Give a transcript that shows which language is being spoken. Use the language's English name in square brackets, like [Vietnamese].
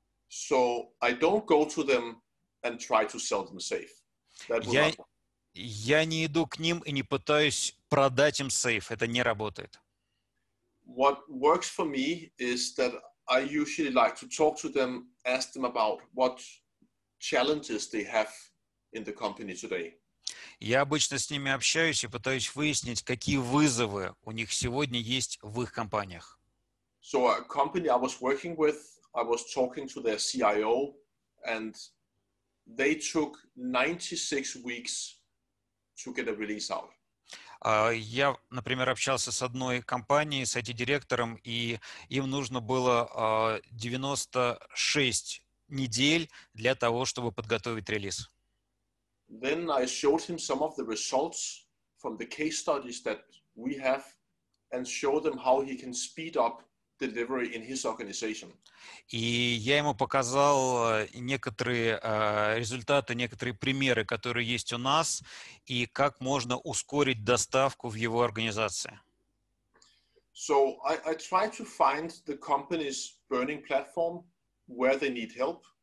[English] So I don't go to them and try to sell them safe. [Russian] Я не иду к ним и не пытаюсь продать им сейф. Это не работает. [English] What works for me is that I usually like to talk to them, ask them about what challenges they have in the company today. [Russian] Я обычно с ними общаюсь и пытаюсь выяснить, какие вызовы у них сегодня есть в их компаниях. [English] So a company I was working with, I was talking to their CIO, and they took 96 weeks to get a release out. [Russian] Я, например, общался с одной компанией, с IT-директором, и им нужно было 96 недель для того, чтобы подготовить релиз. [English] Then I showed him some of the results from the case studies that we have and showed them how he can speed up delivery in his organization. [Russian] И я ему показал некоторые результаты, некоторые примеры, которые есть у нас, и как можно ускорить доставку в его организации. [English] So I try to find the company's burning platform where they need help.